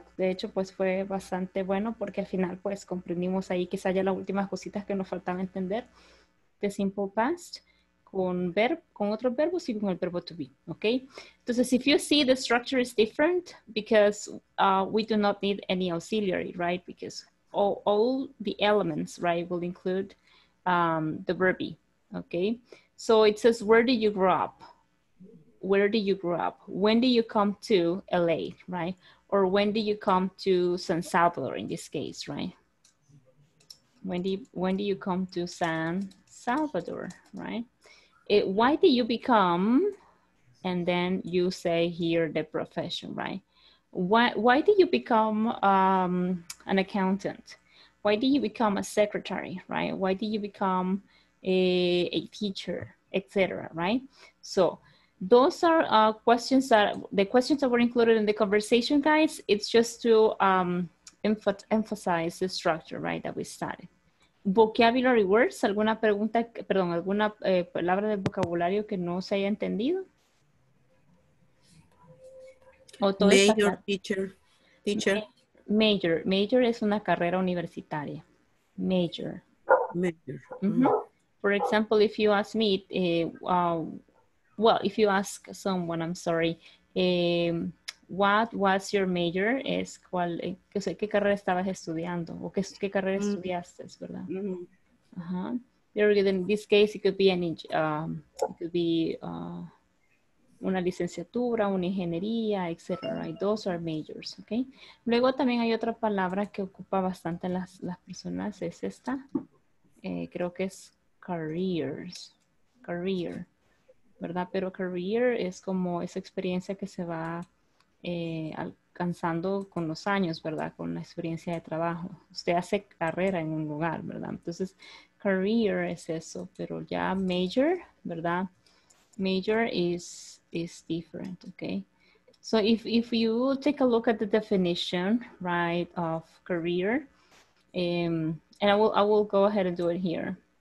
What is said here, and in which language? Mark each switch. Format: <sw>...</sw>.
<es>De hecho, pues fue bastante bueno porque al final, pues comprendimos ahí quizá ya las últimas cositas que nos faltaba entender.</es> <en>The simple past.</en> <es>Con otros verbos y con el verbo to be, okay?</es> <en>Entonces, if you see, the structure is different because we do not need any auxiliary, right? Because all the elements, right, will include the verb, okay? So it says, where did you grow up? Where did you grow up? When did you come to LA, right? Or when did you come to San Salvador in this case, right? When do you come to San Salvador, right? Why did you become, and then you say here the profession, right? Why did you become an accountant? Why did you become a secretary, right? Why did you become a teacher, etc., right? So those are the questions that were included in the conversation, guys. It's just to emphasize the structure, right, that we studied. Vocabulary words,</en> <es>alguna pregunta, perdón, alguna palabra de vocabulario que no se haya entendido? ¿O todo major, teacher. Major es una carrera universitaria. Major. Mm-hmm.</es> <en>For example, if you ask me, if you ask someone, I'm sorry, what was your major?</en> <es>Es cuál, que sé, ¿qué carrera estabas estudiando? O qué carrera estudiaste, ¿verdad? Mm-hmm. Uh-huh.</es> <en>In this case, it could be</en> <es>una licenciatura, una ingeniería,</es> <en>etc. Right? Those are majors, okay?</en> <es>Luego también hay otra palabra que ocupa bastante las personas, es esta. Creo que es careers. Career, ¿verdad? Pero career es como esa experiencia que se va alcanzando con los años, ¿verdad? Con la experiencia de trabajo. Usted hace carrera en un lugar, ¿verdad? Entonces, career es eso, pero ya major, ¿verdad?</es> <en>Major is different, okay? So if you take a look at the definition, right, of career, and I will go ahead and do it here.</en>